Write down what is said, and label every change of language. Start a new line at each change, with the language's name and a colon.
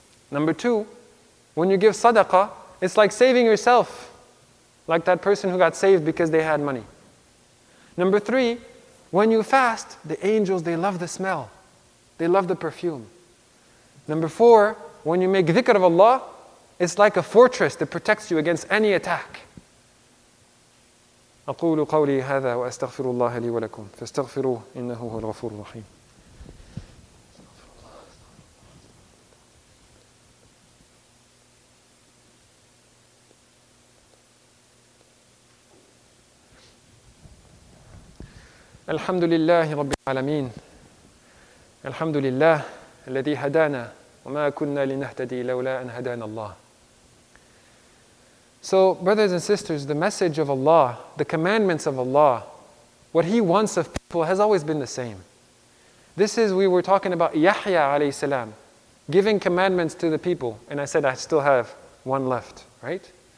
English: Number two, when you give sadaqah, it's like saving yourself, like that person who got saved because they had money. Number three, when you fast, the angels, they love the smell. They love the perfume. Number four, when you make dhikr of Allah, it's like a fortress that protects you against any attack.
Arabic: أقول قولي هذا وأستغفر الله لي ولكم فاستغفروه إنه هو الغفور الرحيم. الحمد لله رب العالمين الحمد لله الذي هدانا وما كنا لنهتدي لولا أن هدانا الله.
English: So, brothers and sisters, the message of Allah, the commandments of Allah, what He wants of people has always been the same. This is, we were talking about Yahya alayhi salam, giving commandments to the people, and I said I still have one left, right?